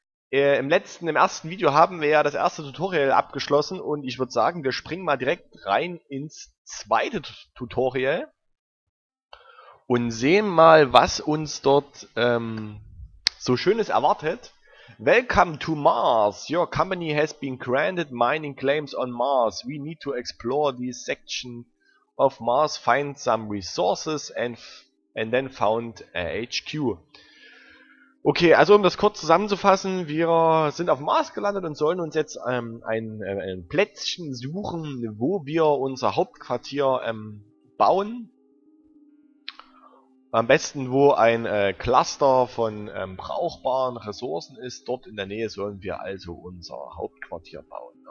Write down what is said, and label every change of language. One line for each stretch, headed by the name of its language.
German: Im ersten Video haben wir ja das erste Tutorial abgeschlossen und ich würde sagen, wir springen mal direkt rein ins zweite Tutorial und sehen mal, was uns dort so Schönes erwartet.
English: Welcome to Mars. Your company has been granted mining claims on Mars. We need to explore this section of Mars, find some resources and then found HQ.
German: Okay, also um das kurz zusammenzufassen, wir sind auf Mars gelandet und sollen uns jetzt ein Plätzchen suchen, wo wir unser Hauptquartier bauen. Am besten, wo ein Cluster von brauchbaren Ressourcen ist, dort in der Nähe sollen wir also unser Hauptquartier bauen.